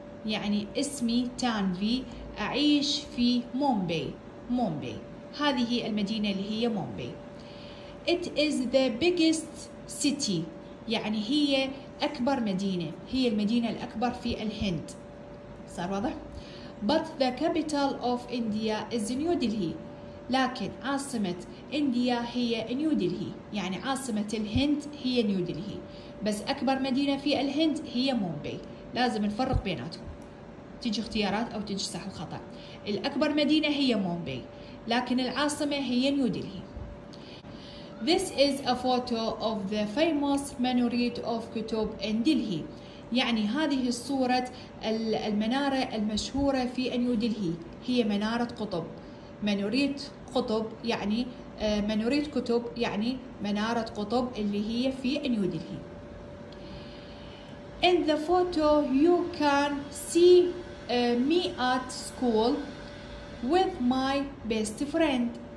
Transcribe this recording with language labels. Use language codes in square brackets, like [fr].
[ar] يعني اسمي تانفي، أعيش في مومباي. مومباي هذه المدينة اللي هي مومباي. [en] It is the biggest city. [ar] يعني هي أكبر مدينة. هي المدينة الأكبر في الهند. صار واضح؟ [en] But the capital of India is New Delhi. [ar] لكن عاصمة إنديا هي نيو دلهي. يعني عاصمة الهند هي نيو دلهي. بس أكبر مدينة في الهند هي مومباي. لازم نفرق بيناتهم. تيجي اختيارات أو تيجي صح الخطأ. الأكبر مدينة هي مومباي. لكن العاصمة هي نيو دلهي. [en] This is a photo of the famous Minaret of Kutub in Delhi. [ar] يعني هذه الصورة المنارة المشهورة في نيو دلهي. هي منارة قطب. منوريت قطب يعني منوريت كتب يعني منارة قطب اللي هي في نيو دلهي. [en] In the photo you can see me at school with my best friend.